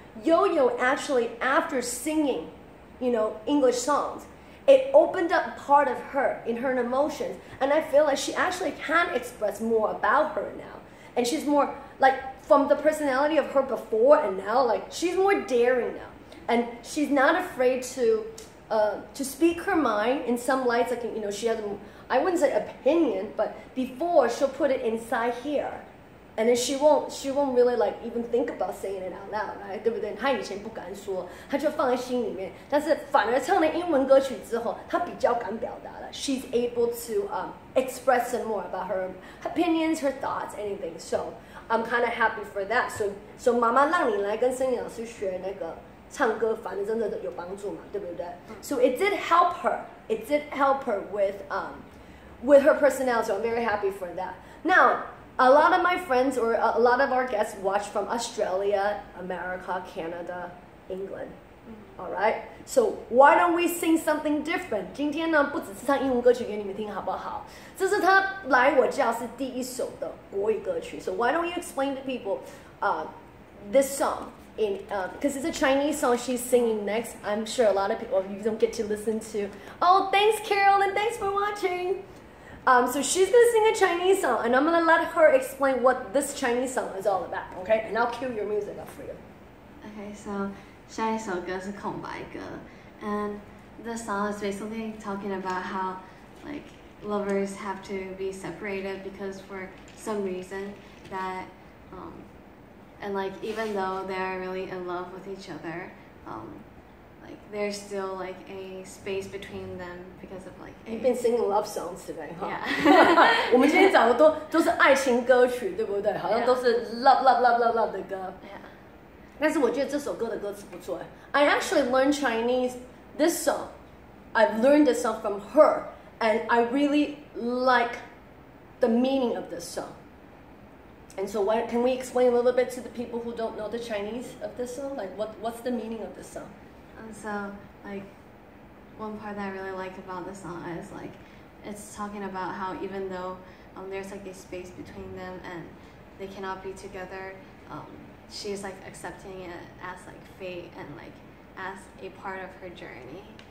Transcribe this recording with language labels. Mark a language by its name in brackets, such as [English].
[English] Yo-Yo actually after singing, you know, English songs, it opened up part of her in her emotions, and I feel like she actually can express more about her now, and she's more like from the personality of her before and now, like she's more daring now. And she's not afraid to speak her mind in some lights, like, you know, she has, I wouldn't say opinion, but before she'll put it inside here. And then she won't really like even think about saying it out loud, right? [Chinese] 对不对？她以前不敢说，她就放在心里面。但是反而唱了英文歌曲之后，她比较敢表达了。 [English] She's able to express some more about her opinions, her thoughts, anything. So [Chinese] I'm kind of happy for that. So 妈妈让你来跟森林老师学那个唱歌，反正真的有帮助嘛，对不对、嗯、？ [English] So it did help her. It did help her with her personality. I'm very happy for that. Now, a lot of my friends or a lot of our guests watch from Australia, America, Canada, England.、嗯、All right. So why don't we sing something different? [Chinese] 今天呢，不只是唱英文歌曲给你们听，好不好？这是他来我教室第一首的国语歌曲。 [English] So why don't you explain to people, this song? Because it's a Chinese song she's singing next. I'm sure a lot of people, you don't get to listen to. Oh, thanks, Carol, and thanks for watching. So she's going to sing a Chinese song, and I'm going to let her explain what this Chinese song is all about, okay? And I'll cue your music up for you. Okay, so [Chinese] 下一首歌是空白歌 [English] and the song is basically talking about how, like, lovers have to be separated because for some reason that, And like, even though they're really in love with each other, like there's still like a space between them because of like... You've been singing love songs today, huh? Yeah. [Chinese] 我们今天找的都是爱情歌曲，对不对？好像都是 [English] love, love, love, love, love [Chinese] 的歌。 [English] Yeah. [Chinese] 但是我觉得这首歌的歌词不错。 [English] I actually learned Chinese, this song. I've learned this song from her. And I really like the meaning of this song. And so what, can we explain a little bit to the people who don't know the Chinese of this song? Like, what's the meaning of this song? And so, like, one part that I really like about the song is, like, it's talking about how even though there's, like, a space between them and they cannot be together, she's, like, accepting it as, like, fate and, like, as a part of her journey.